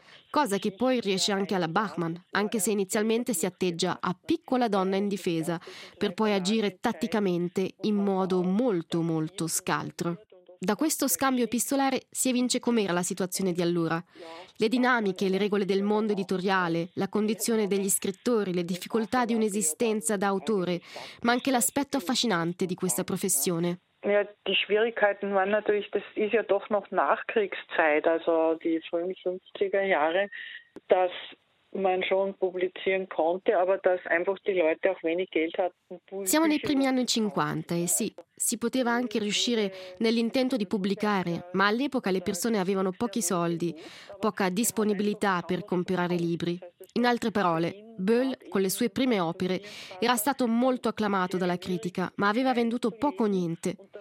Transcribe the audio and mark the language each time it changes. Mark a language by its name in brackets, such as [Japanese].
[Italian] Cosa che poi riesce anche alla Bachmann, anche se inizialmente si atteggia a piccola donna indifesa, per poi agire tatticamente in modo molto, molto scaltro. Da questo scambio epistolare si evince com'era la situazione di allora. Le dinamiche, le regole del mondo editoriale, la condizione degli scrittori, le difficoltà di un'esistenza da autore, ma anche l'aspetto affascinante di questa professione. [German] Ja, die Schwierigkeiten waren natürlich, das ist ja doch noch Nachkriegszeit, also die frühen 50er Jahre, dass man schon publizieren konnte, aber dass einfach die Leute auch wenig Geld hatten. [Italian] Siamo nei primi anni 50 e sì, si poteva anche riuscire nell'intento di pubblicare, ma all'epoca le persone avevano pochi soldi, poca disponibilità per comprare libri. In altre parole, Böll, con le sue prime opere, era stato molto acclamato dalla critica, ma aveva venduto poco o niente.